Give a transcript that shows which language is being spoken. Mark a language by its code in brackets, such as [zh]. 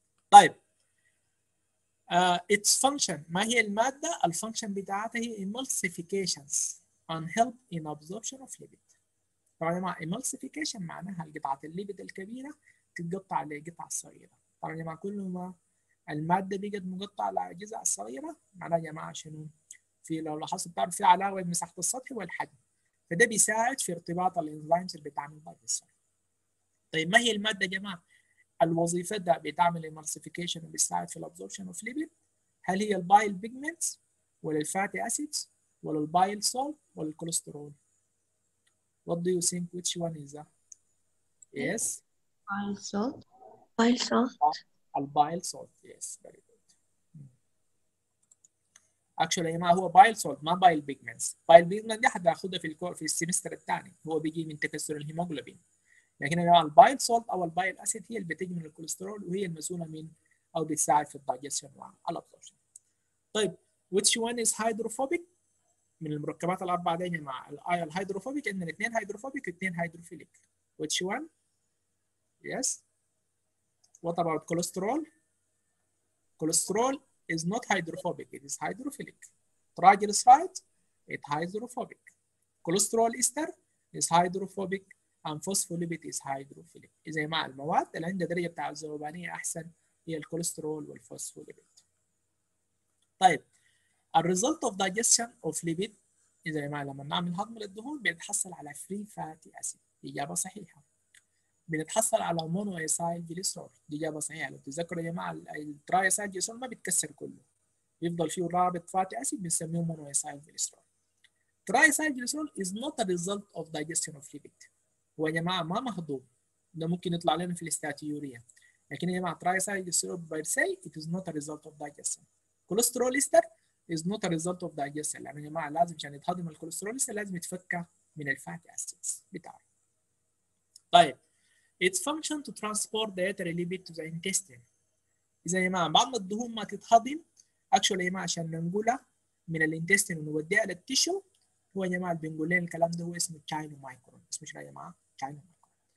[en] طيب its function، ما هي الماده؟ الفانكشن بتاعتها هي emulsifications and help in absorption of lipid. [ar] طبعا يا جماعه emulsification معناها القطعه الليبيد الكبيره تتقطع لقطع صغيره. طبعا يا جماعه كل ما الماده بقت مقطعه لاجزاء صغيره معناها يا جماعه شنو؟ في لو لاحظت بتعرف في علاقه بين مساحه السطح والحجم، فده بيساعد في ارتباط الانزيمز اللي بتعمل بعض الصغير. طيب ما هي الماده يا جماعه؟ الوظيفة ده بتعمل emulsification وبيساعد في الابزوربشن اوف ليبيد، هل هي البايل بيجمنتس ولا الفاتي اسيدز ولا البايل سولت ولا الكوليسترول؟ What do you think which one is that? [en] Yes. Bile salt. Bile salt. Bile salt. Yes. Very good. Actually, ما هو bile salt ما bile pigments. [ar] Bile pigments دي حتاخدها في السمستر الثاني، هو بيجي من تكسر الهيموجلوبين. لكن يا جماعه البايل سولت او البايل اسيد هي اللي بتجي من الكوليسترول وهي المسؤوله من او بتساعد في الدايجستشن والابزوربشن. طيب which one is hydrophobic؟ من المركبات الأربعة دي مع الآية الهيدروفوبيك عندنا اثنين هيدروفوبيك واثنين هيدروفيليك. [en] Which one؟ Yes. What about cholesterol؟ Cholesterol is not hydrophobic, it is hydrophilic. Triglyceride, it hydrophobic. Cholesterol ester is hydrophobic and phospholipid is hydrophilic. [ar] إذا مع المواد اللي عندها درجة بتاع الذوبانية أحسن هي الكوليسترول والفوسفوليبيد. طيب The result of digestion of lipid إذا يا جماعة لما نعمل هضم للدهون بنتحصل على free fatty acid، إجابة صحيحة. بنتحصل على monoacyl glycerol، إجابة صحيحة. لو تتذكروا يا جماعة الترايسيل جلسرول ما بيتكسر كله، يفضل فيه رابط fatty acid بنسميه monoacyl glycerol. Triacyl glycerol is not a result of digestion of lipid، هو يا جماعة ما مهضوم، ده ممكن يطلع لنا في الاستاتيورية، لكن يا جماعة triacyl glycerol by se it is not a result of digestion. Cholesterol ester is not a result of digestion، يعني يا جماعه لازم عشان يتهضم الكوليسترول لازم يتفك من الفات اسيدز بتاعه. طيب its function to transport dietary lipid to the intestine، اذا يا جماعه بعد ما الدهون ما تتهضم اكشولي يا جماعه عشان ننقلها من الانتستين ونوديها للتيشو، هو يا جماعه بنقول لنا الكلام ده هو اسمه تشاينو مايكرون، اسمه شنو يا جماعه؟ تشاينو مايكرون.